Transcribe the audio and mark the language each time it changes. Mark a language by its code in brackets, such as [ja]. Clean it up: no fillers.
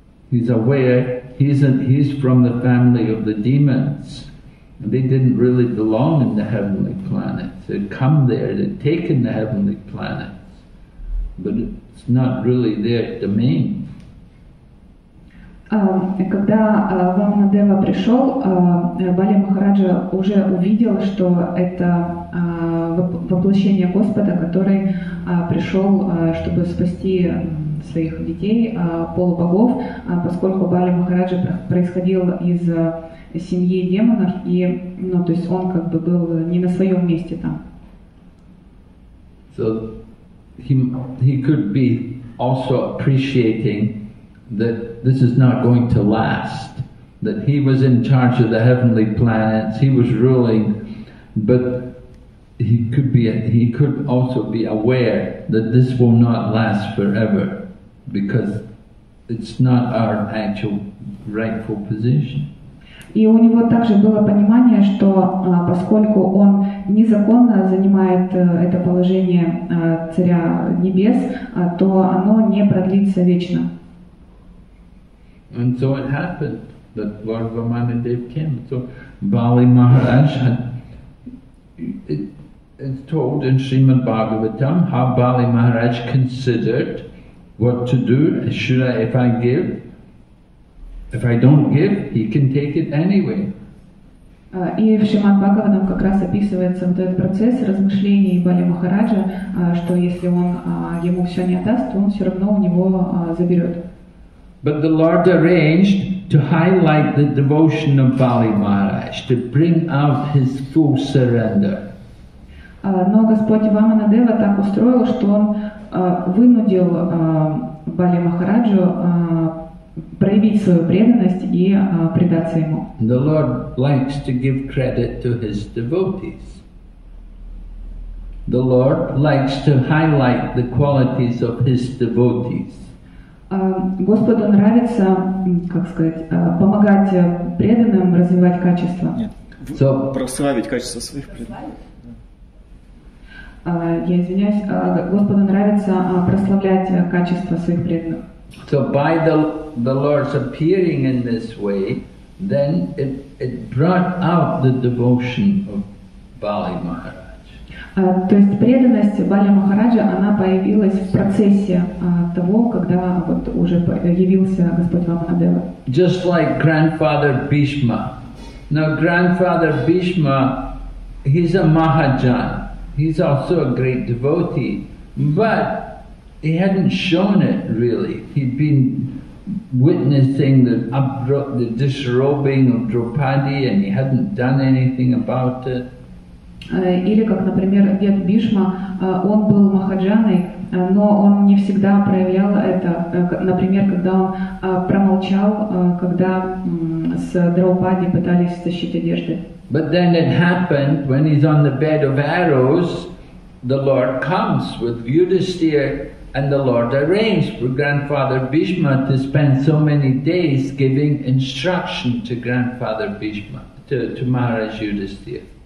[en] He's aware, he's from the family of the demons, and they didn't really belong in the heavenly planets. They'd come there, they'd taken the heavenly planets, but it's not really their domain. [ru] Когда Ламанадева пришел, Бали Махараджа уже увидел, что это воплощение Господа, который пришел, чтобы спасти своих детей, полубогов, поскольку Бали Махараджа происходил из семьи демонов, и, ну, то есть он как бы был не на своем месте там. [en] So he could be also appreciating that this is not going to last, that he was in charge of the heavenly planets, he was ruling, but he could also be aware that this will not last forever because it's not our actual rightful position. [ru] И у него также было понимание, что поскольку он незаконно занимает это положение царя небес, то оно не продлится вечно. [en] And so it happened that Lord Vamanadeva came. So Bali Maharaj had, it's told in Srimad Bhagavatam how Bali Maharaj considered what to do. Should I, if I give, if I don't give, he can take it anyway. [ru] И в Шримад Бхагаватам как раз описывается вот этот процесс размышлений Бали Махараджа, что если он ему все не отдаст, то он все равно у него заберет. [en] But the Lord arranged to highlight the devotion of Bali Maharaj, to bring out his full surrender. [ru] Но Господь Ваманадева так устроил, что он вынудил Бали Махараджу проявить свою преданность и предаться ему. [en] The Lord likes to give credit to his devotees. The Lord likes to highlight the qualities of his devotees. [ru] Господу нравится, как сказать, помогать преданным развивать качества. Нет, прославить качества своих преданных. Я извиняюсь, Господу нравится прославлять качества своих преданных. [en] So by the Lord's appearing in this way, then it brought out the devotion of Bali Maharaj. [ru] То есть преданность Бали Махараджа, она появилась в процессе того, когда вот уже явился Господь Ламанадева. [en] Just like grandfather Bhishma. Now grandfather Bhishma, he's a Mahajan. He's also a great devotee. But he hadn't shown it really. He'd been witnessing the disrobing of Draupadi and he hadn't done anything about it. [ru] Или как, например, дед Бишма, он был махаджаной, но он не всегда проявлял это. Например, когда он промолчал, когда с Драупади пытались стащить одежды. [en] But then it happened when he's on the bed of arrows, the Lord comes with Yudhisthira, and the Lord arranged for grandfather Bhishma to spend so many days giving instruction to grandfather Bhishma, to Maharaj Yudhisthira.